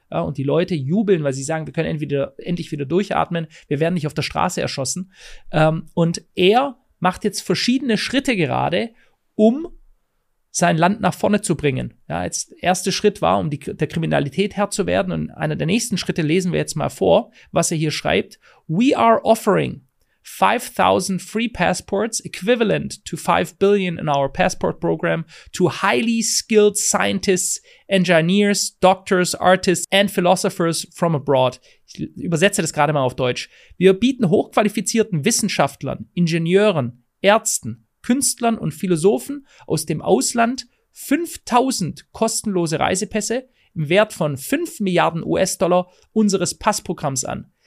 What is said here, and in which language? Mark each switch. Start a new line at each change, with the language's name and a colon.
German: Ja, und die Leute jubeln, weil sie sagen, wir können endlich wieder durchatmen, wir werden nicht auf der Straße erschossen. Und er macht jetzt verschiedene Schritte gerade, um sein Land nach vorne zu bringen. Ja, jetzt erste Schritt war, um der Kriminalität Herr zu werden. Und einer der nächsten Schritte lesen wir jetzt mal vor, was er hier schreibt.
English: We are offering 5,000 free passports equivalent to 5 billion in our passport program to highly skilled scientists, engineers, doctors, artists and philosophers from abroad.
German: Ich übersetze das gerade mal auf Deutsch. Wir bieten hochqualifizierten Wissenschaftlern, Ingenieuren, Ärzten, Künstlern und Philosophen aus dem Ausland 5.000 kostenlose Reisepässe im Wert von 5 Milliarden US-Dollar unseres Passprogramms an.